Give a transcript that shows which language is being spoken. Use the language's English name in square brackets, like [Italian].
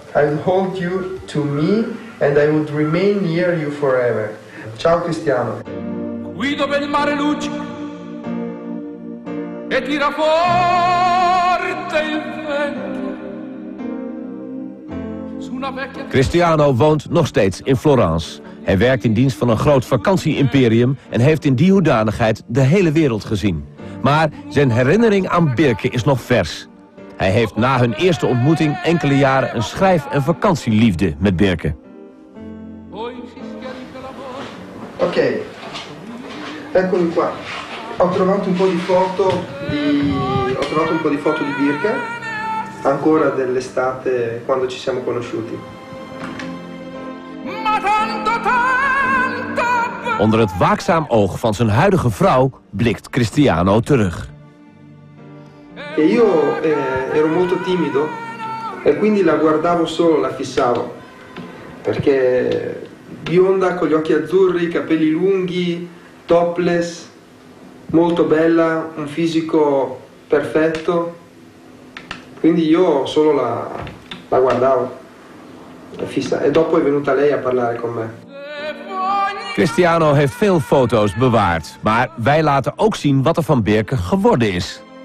[English] I will hold you to me and I would remain near you forever. [Italian] Ciao Cristiano. Guido per il mare luce e tira forte il vento su una vecchia. [Dutch] Cristiano woont nog steeds in Florence. Hij werkt in dienst van een groot vakantie-imperium en heeft in die hoedanigheid de hele wereld gezien. Maar zijn herinnering aan Birke is nog vers. Hij heeft na hun eerste ontmoeting enkele jaren een schrijf- en vakantieliefde met Birke. [Italian] Oké, eccomi qua. Ho trovato un po' di foto di. Ho trovato un po' di foto di Birke. Ancora dell'estate quando ci siamo conosciuti. Ma tanto tanto. [Dutch] Onder het waakzaam oog van zijn huidige vrouw blikt Cristiano terug. [Italian] E io ero molto timido e quindi la guardavo solo, la fissavo. Perché bionda, con gli occhi azzurri, capelli lunghi, topless, molto bella, un fisico perfetto. Quindi io solo la guardavo, la fissa. E dopo è venuta lei a parlare con me. [Dutch] Cristiano heeft veel foto's bewaard, maar wij laten ook zien wat er van Birke geworden is.